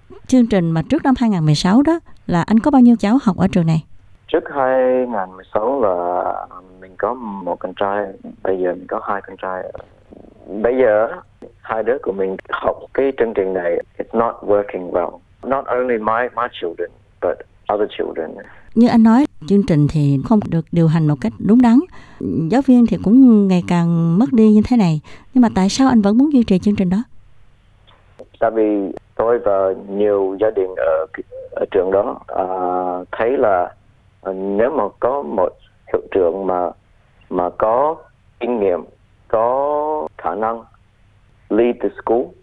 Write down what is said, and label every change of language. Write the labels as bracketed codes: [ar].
[vi] Chương trình mà trước năm 2016 đó là anh có bao nhiêu cháu học ở trường này? Trước 2016 là mình có một con trai, bây giờ mình có hai con trai. Bây giờ hai đứa của mình học cái chương trình này, [en] it's not working well. Not only my children, but other children. [vi] Như anh nói, chương trình thì không được điều hành một cách đúng đắn. Giáo viên thì cũng ngày càng mất đi như thế này. Nhưng mà tại sao anh vẫn muốn duy trì chương trình đó? Tại vì tôi và nhiều gia đình ở trường đó thấy là nếu mà có một hiệu trưởng mà có kinh nghiệm, có khả năng [en] lead the school,